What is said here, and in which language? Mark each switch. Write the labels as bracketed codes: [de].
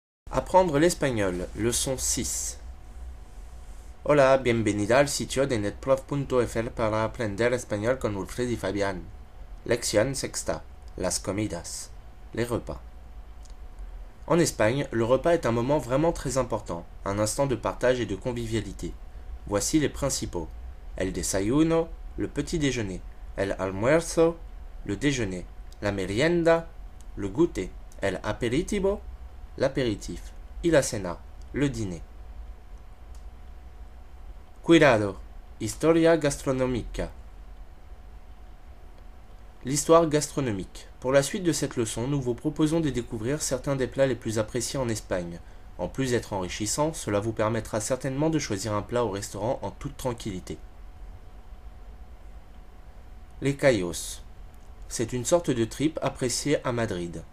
[fr] Apprendre l'espagnol, leçon 6. [es] Hola, bienvenida al sitio de netprof.fr para aprender español con Wilfred y Fabián. Lección sexta, las comidas, [fr] les repas. En Espagne, le repas est un moment vraiment très important, un instant de partage et de convivialité. Voici les principaux: el desayuno, le petit déjeuner, el almuerzo, le déjeuner, la merienda, le goûter, el aperitivo, l'apéritif, y la cena, le dîner. [es] Cuidado, historia gastronómica. [fr] L'histoire gastronomique. Pour la suite de cette leçon, nous vous proposons de découvrir certains des plats les plus appréciés en Espagne. En plus d'être enrichissant, cela vous permettra certainement de choisir un plat au restaurant en toute tranquillité. Les callos. C'est une sorte de tripe appréciée à Madrid.